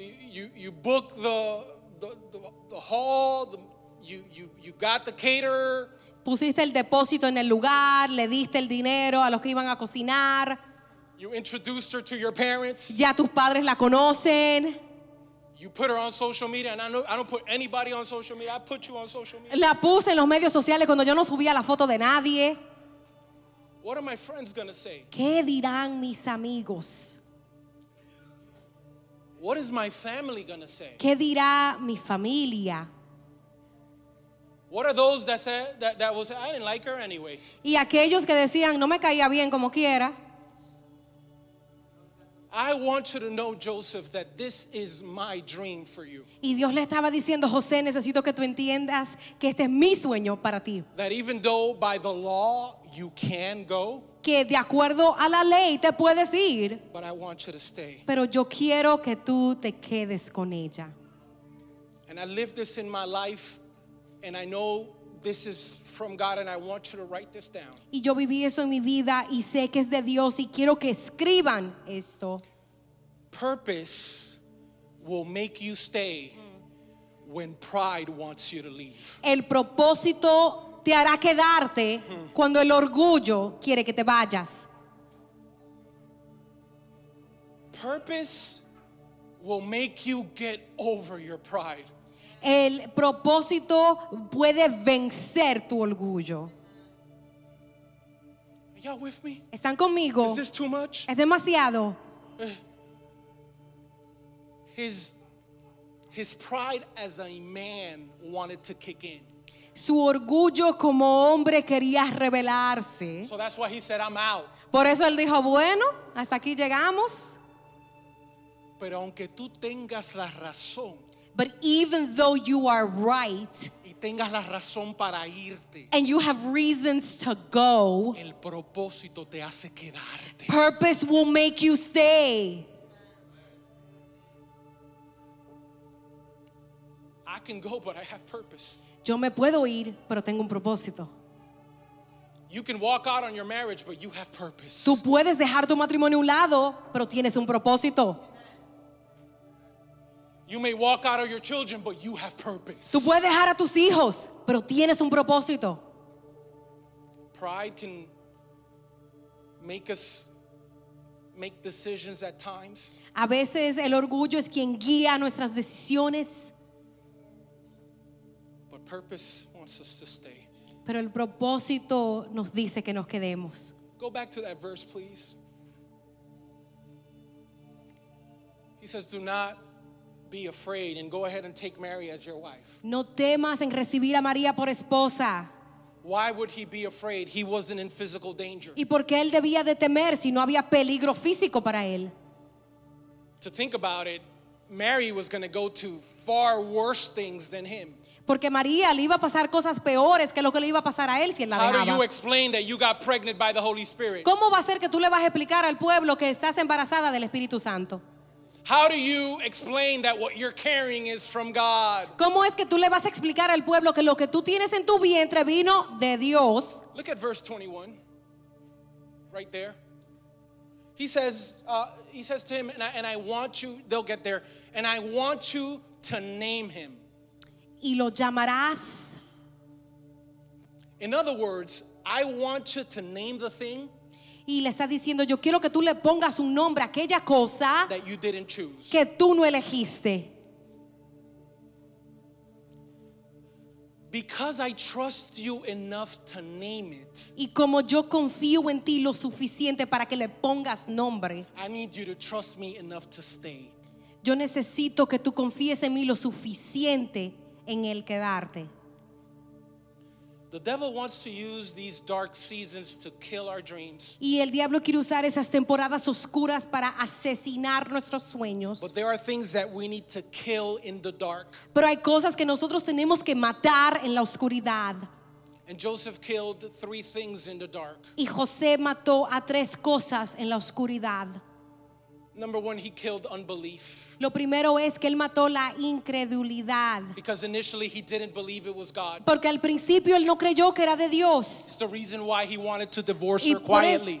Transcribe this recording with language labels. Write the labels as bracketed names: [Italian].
[English] You book the hall, you got the caterer. [Spanish] pusiste el depósito en el lugar, le diste el dinero a los que iban a cocinar. [English] You introduced her to your parents. [Spanish] Ya tus padres la conocen. [English] You put her on social media, and I know I don't put anybody on social media. I put you on social media. [Spanish] La puse en los medios sociales cuando yo no subía la foto de nadie. [English] What are my friends gonna say? [Spanish] ¿Qué dirán mis amigos? [English] What is my family gonna say? [Spanish] ¿Qué dirá mi familia? [English] What are those that said that was I didn't like her anyway? [Spanish] Y aquellos que decían no me caía bien como quiera. [English] I want you to know, Joseph, that this is my dream for you. [Spanish] Y Dios le estaba diciendo, José, necesito que tú entiendas que este es mi sueño para ti. [English] That even though by the law you can go, [Spanish] que de acuerdo a la ley te puedes ir, [English] but I want you to stay. [Spanish] Pero yo quiero que tú te quedes con ella. [English] And I live this in my life, and I know this is from God, and I want you to write this down. [Spanish] Y yo viví esto en mi vida y sé que es de Dios y quiero que escriban esto. [English] Purpose will make you stay when pride wants you to leave. [Spanish] El propósito te hará quedarte cuando el orgullo quiere que te vayas. [English] Purpose will make you get over your pride. [Spanish] El propósito puede vencer tu orgullo. [English] Are y'all with me? [Spanish] ¿Están conmigo? [English] Is this too much? [Spanish] ¿Es demasiado? [English] His pride as a man wanted to kick in. [Spanish] Su orgullo como hombre quería rebelarse. [English] So that's why he said, I'm out. [Spanish] Por eso él dijo, bueno, hasta aquí llegamos. Pero aunque tú tengas la razón, [English] but even though you are right, [Spanish] y tengas la razón para irte, [English] and you have reasons to go, [Spanish] el propósito te hace quedarte. [English] Purpose will make you stay. I can go, but I have purpose. [Spanish] Yo me puedo ir, pero tengo un propósito. [English] You can walk out on your marriage, but you have purpose. [Spanish] Tú puedes dejar tu matrimonio a un lado, pero tienes un propósito. [English] You may walk out of your children, but you have purpose. [Spanish] Tú puedes dejar a tus hijos, pero tienes un propósito. [English] Pride can make us make decisions at times. [Spanish] A veces el orgullo es quien guía nuestras decisiones. [English] But purpose wants us to stay. [Spanish] Pero el propósito nos dice que nos quedemos. [English] Go back to that verse, please. He says, "Do not be afraid and go ahead and take Mary as your wife." [Spanish] No temas en recibir a María por esposa. [English] Why would he be afraid? He wasn't in physical danger. [Spanish] ¿Y por qué él debía de temer si no había peligro físico para él? [English] To think about it, Mary was going to go to far worse things than him. [Spanish] Porque María le iba a pasar cosas peores que lo que le iba a pasar a él si él la dejaba. [English] How do you explain that you got pregnant by the Holy Spirit? [Spanish] ¿Cómo va a ser que tú le vas a explicar al pueblo que estás embarazada del Espíritu Santo? [English] How do you explain that what you're carrying is from God? [Spanish] ¿Cómo es que tú le vas a explicar al pueblo que lo que tú tienes en tu vientre vino de Dios? [English] Look at verse 21, right there. He says to him, and I want you, they'll get there, and I want you to name him. [Spanish] ¿Y lo llamarás? [English] In other words, I want you to name the thing. [Spanish] Y le está diciendo, yo quiero que tú le pongas un nombre a aquella cosa que tú no elegiste. [English] Because I trust you enough to name it. [Spanish] Y como yo confío en ti lo suficiente para que le pongas nombre. [English] I need you to trust me enough to stay. [Spanish] Yo necesito que tú confíes en mí lo suficiente en el quedarte. [English] The devil wants to use these dark seasons to kill our dreams. [Spanish] Y el diablo quiere usar esas temporadas oscuras para asesinar nuestros sueños. [English] But there are things that we need to kill in the dark. [Spanish] Pero hay cosas que nosotros tenemos que matar en la oscuridad. [English] And Joseph killed three things in the dark. [Spanish] Y José mató a tres cosas en la oscuridad. [English] Number one, he killed unbelief. [Spanish] Lo primero es que él mató la incredulidad. [English] Because initially he didn't believe it was God. [Spanish] Porque al principio él no creyó que era de Dios. [English] It's the reason why he wanted to divorce her quietly.